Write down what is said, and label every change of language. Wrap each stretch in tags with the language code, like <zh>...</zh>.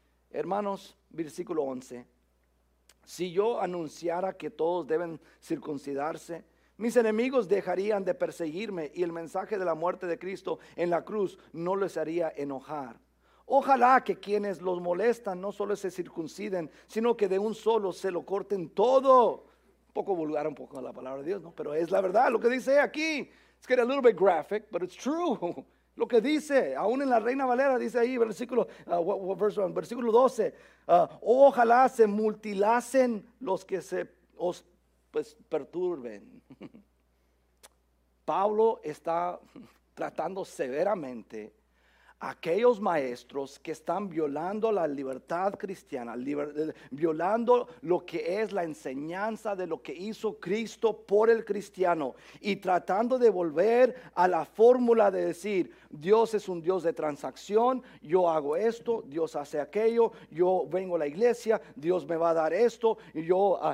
<es>Hermanos, versículo 11. Si yo anunciara que todos deben circuncidarse, mis enemigos dejarían de perseguirme y el mensaje de la muerte de Cristo en la cruz no les haría enojar. Ojalá que quienes los molestan no solo se circunciden, sino que de un solo se lo corten todo. Un poco vulgar, un poco la palabra de Dios, ¿no? Pero es la verdad lo que dice aquí.</es> <en>It's getting a little bit graphic, but it's true.</en> <es>Lo que dice, aún en la Reina Valera, dice ahí, versículo 12. Ojalá se mutilasen los que se os pues, perturben. Pablo está tratando severamente aquellos maestros que están violando la libertad cristiana, violando lo que es la enseñanza de lo que hizo Cristo por el cristiano y tratando de volver a la fórmula de decir: Dios es un Dios de transacción, yo hago esto, Dios hace aquello, yo vengo a la iglesia, Dios me va a dar esto, yo</es>